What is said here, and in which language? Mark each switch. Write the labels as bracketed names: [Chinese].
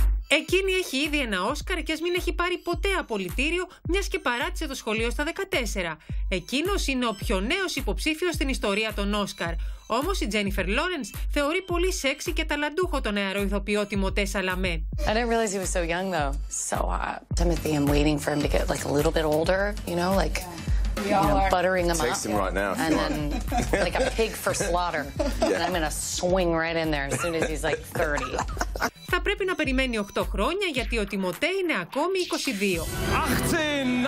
[Greek] Εκείνη έχει ήδη ένα Όσκαρ και ας μην έχει πάρει ποτέ απολυτήριο, μιας και παράτησε το σχολείο στα 14. Εκείνος είναι ο πιο νέος υποψήφιος στην ιστορία των Όσκαρ. Όμως η Τζένιφερ Λόρενς θεωρεί πολύ σεξι και ταλαντούχο τον νεαρό ηθοποιό Τιμωτέ Σαλαμέ. [English] I didn't realize he was so young though. So Timothy, I'm waiting for him to get like a little bit older, you know, like you know, buttering him up. Text him right now. And then like a pig for slaughter. Yeah. And I'm gonna swing right in there as soon as he's like 30. [Greek] Θα πρέπει να περιμένει 8 χρόνια γιατί ο Τιμωτέ είναι ακόμη 22.